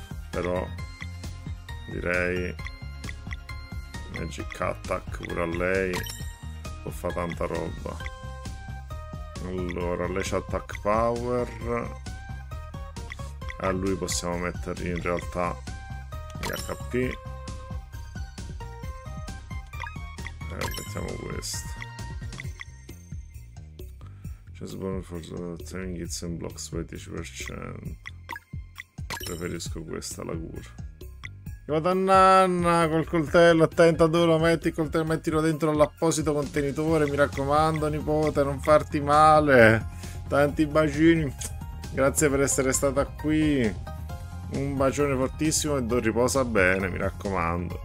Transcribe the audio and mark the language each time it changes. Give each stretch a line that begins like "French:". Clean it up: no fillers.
Italian: Però direi Magic Attack pure a lei, può fare tanta roba. Allora, lei c'ha Attack Power, a lui possiamo mettergli in realtà gli HP, mettiamo questo.
English: Just bonus for saving hits and blocks by 10%.
Italian: Preferisco questa, la cura. Madonna, col coltello, attenta dove lo metti il coltello, mettilo dentro all'apposito contenitore, mi raccomando nipote, non farti male. Tanti bacini, grazie per essere stata qui, un bacione fortissimo e riposa bene, mi raccomando.